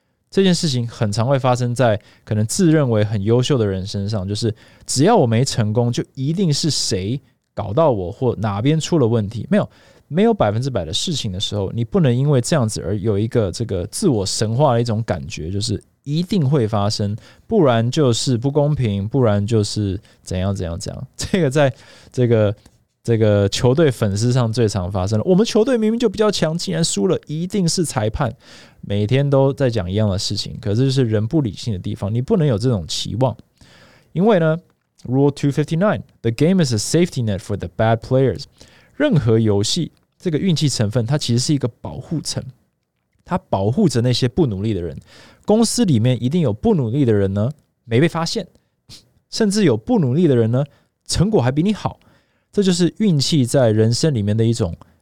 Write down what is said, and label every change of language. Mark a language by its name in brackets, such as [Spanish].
[Chinese] 这件事情很常会发生在可能自认为很优秀的人身上，就是只要我没成功就一定是谁搞到我或哪边出了问题，没有百分之百的事情的时候，你不能因为这样子而有一个这个自我神化的一种感觉，就是一定会发生，不然就是不公平，不然就是怎样怎样怎样。这个在这个球队粉丝上最常发生了，我们球队明明就比较强，竟然输了，一定是裁判，每天都在讲一样的事情，可是就是人不理性的地方，你不能有这种期望。因为呢 [English] Rule 259, the game is a safety net for the bad players. [Chinese] 任何游戏这个运气成分它其实是一个保护层，它保护着那些不努力的人。公司里面一定有不努力的人呢没被发现，甚至有不努力的人呢成果还比你好，这就是运气在人生里面的一种